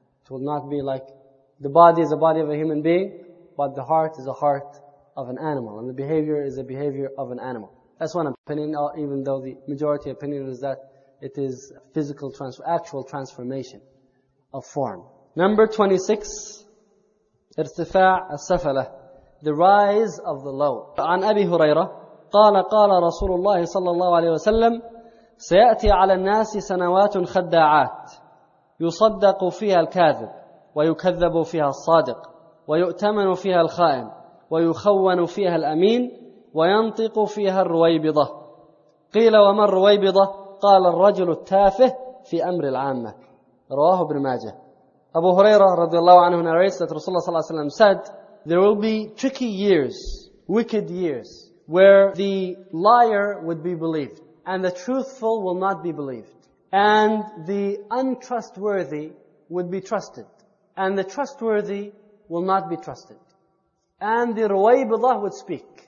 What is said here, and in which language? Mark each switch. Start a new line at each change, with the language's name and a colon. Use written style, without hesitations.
English: It will not be like the body is a body of a human being, but the heart is a heart of an animal, and the behavior is a behavior of an animal. That's one opinion, even though the majority opinion is that it is physical, actual transformation of form. Number 26,
Arabic: ارتفاع السفلة.
English: The rise of the low.
Arabic: عن أبي هريرة قال قال رسول الله صلى الله عليه وسلم سيأتي على الناس سنوات خداعات يصدق فيها الكاذب ويكذب فيها الصادق ويؤتمن فيها الخائن ويخون فيها الأمين وينطق فيها الرويبضة. قيل وما الرويبضة؟ قال الرجل التافه في أمر العامة. رواه ابن ماجه.
English: أبو هريرة رضي الله عنه narrates that Rasulullah صلى الله عليه وسلم said there will be tricky years, wicked years, where the liar would be believed and the truthful will not be believed and the untrustworthy would be trusted and the trustworthy will not be trusted and the ruwaybidah would speak.